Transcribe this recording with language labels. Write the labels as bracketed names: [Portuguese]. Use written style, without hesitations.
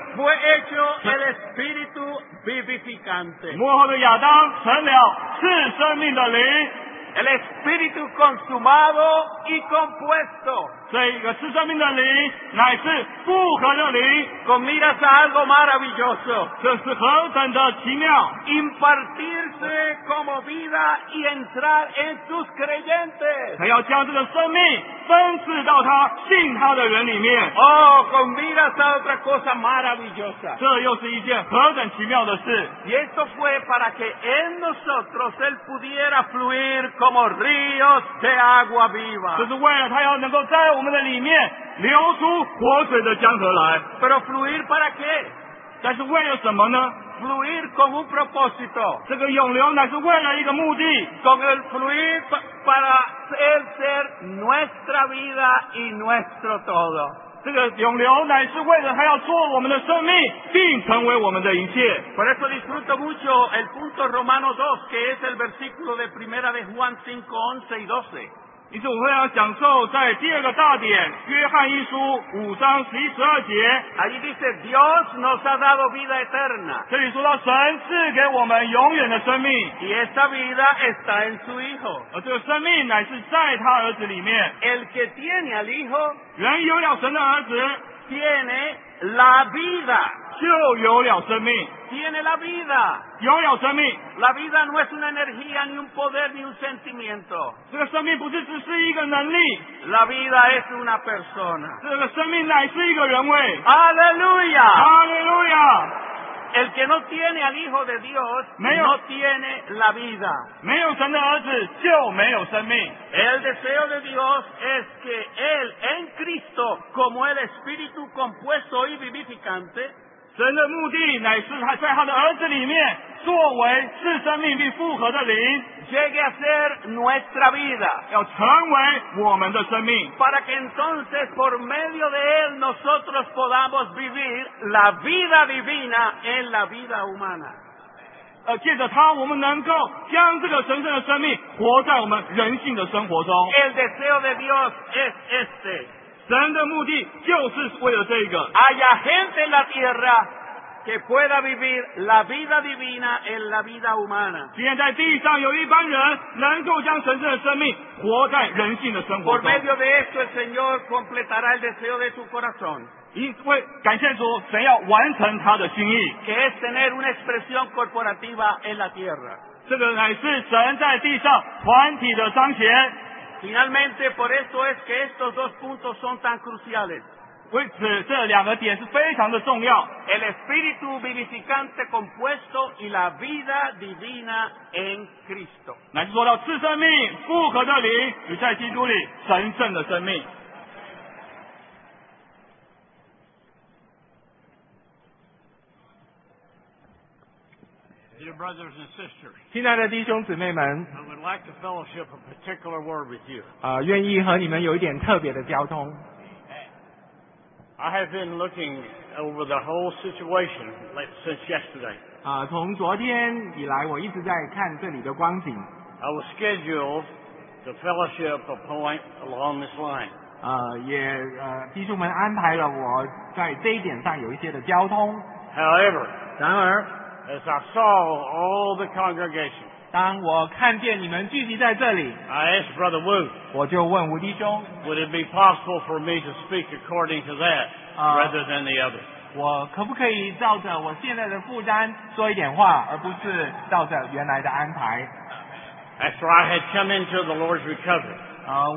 [Spanish] fue hecho el espíritu vivificante, [Chinese] 末后的亚当成了赐生命的灵 [Spanish] el espíritu consumado y compuesto, [Chinese] 这一个赐生命的灵乃是复合的灵 [Spanish] con miras a algo maravilloso, [Chinese] 这是何等的奇妙 [Spanish] impartirse como vida y entrar en sus creyentes, [Chinese] 他要将这个生命分赐到他信他的人里面 [Spanish] oh, con miras a otra cosa maravillosa, [Chinese] 这又是一件何等奇妙的事 [Spanish] y esto fue para que en nosotros él pudiera fluir como ríos de agua viva, [Chinese] 这是为了他要能够在我们的里面流出活水的江河来 [Spanish] pero fluir para qué? [Chinese] 但是为了什么呢 [Spanish] fluir con un propósito, [Chinese] 这个涌流乃是为了一个目的 [Spanish] con el fluir para el ser nuestra vida y nuestro todo, [Chinese] 这个涌流乃是为了他要做我们的生命并成为我们的一切 [Spanish] por eso disfruto mucho el punto Romano 2 que es el versículo de primera de Juan 5:11 y 12 [Chinese] 因此我非常享受在第二个大典约翰一书五章十一十二节 [Spanish] allí dice Dios nos ha dado vida eterna, [Chinese] 这里说到神赐给我们永远的生命 [Spanish] y esta vida está en su hijo, [Chinese] 而这个生命乃是在他儿子里面 [Spanish] el que tiene al hijo, [Chinese] 人有了神的儿子 [Spanish] tiene la vida, [Chinese] 就有了生命 [Spanish] tiene la vida, [Chinese] 拥有生命 [Spanish] la vida no es una energía ni un poder ni un sentimiento, [Chinese] 这个生命不是只是一个能力 [Spanish] la vida es una persona, [Chinese] 这个生命乃是一个人位 [Spanish] aleluya aleluya, el que no tiene al hijo de Dios no tiene la vida, [Chinese] 没有神的儿子就没有生命 [Spanish] el deseo de Dios es que él en Cristo como el espíritu compuesto y vivificante, [Chinese] 神的目的乃是他在他的儿子里面作为赐生命并复合的灵 [Spanish] llegue a ser nuestra vida, [Chinese] 要成为我们的生命 [Spanish] para que entonces por medio de él nosotros podamos vivir la vida divina en la vida humana, [Chinese] 借着他我们能够将这个神圣的生命活在我们人性的生活中 [Spanish] el deseo de Dios es este, [Chinese] 神的目的就是为了这个 [Spanish] haya gente en la tierra que pueda vivir la vida divina en la vida humana, [Chinese] 今天在地上有一般人能够将神圣的生命活在人性的生活中 [Spanish] por medio de esto el Señor completará el deseo de su corazón, [Chinese] 因为感谢主神要完成他的心意 [Spanish] que es tener una expresión corporativa en la tierra, [Chinese] 这个乃是神在地上团体的彰显 [Spanish] Finalmente, por eso es que estos dos puntos son tan cruciales. [Chinese] 为此，这两个点是非常的重要。 [Spanish] El espíritu vivificante compuesto y la vida divina en Cristo. [Chinese] 乃是说到赐生命、复活的灵与在基督里神圣的生命。 [English] Dear brothers and sisters, [Chinese] 亲爱的弟兄姊妹们 [English] I would like to fellowship a particular word with you. [Chinese] 愿意和你们有一点特别的交通 [English] I have been looking over the whole situation since yesterday. [Chinese] 从昨天以来我一直在看这里的光景 [English] I was scheduled to fellowship a point along this line. [Chinese] 弟兄们安排了我在这一点上有一些的交通 [English] However, [Chinese] 然而 [English] As I saw all the congregation, [Chinese] 当我看见你们聚集在这里 [English] I asked Brother Wu, [Chinese] 我就问吴弟兄 [English] Would it be possible for me to speak according to that rather than the other? [Chinese] 我可不可以照着我现在的负担说一点话而不是照着原来的安排 [English] After I had come into the Lord's recovery,